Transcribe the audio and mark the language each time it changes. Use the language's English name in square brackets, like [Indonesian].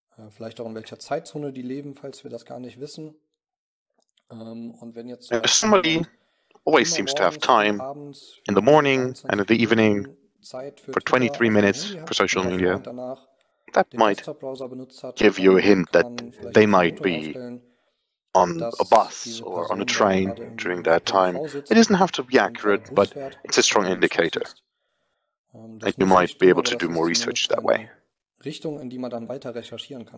[German] Vielleicht auch in welcher Zeitzone die leben, falls wir das gar nicht wissen. Und wenn jetzt [English] so somebody always seems to have time in the morning and in the evening for 23 minutes for social media, that might give you a hint that they might be on a bus or on a train during that time. It doesn't have to be accurate, but it's a strong indicator. And you might be able to do more research that way. [German] Richtung, in die man dann weiter recherchieren kann.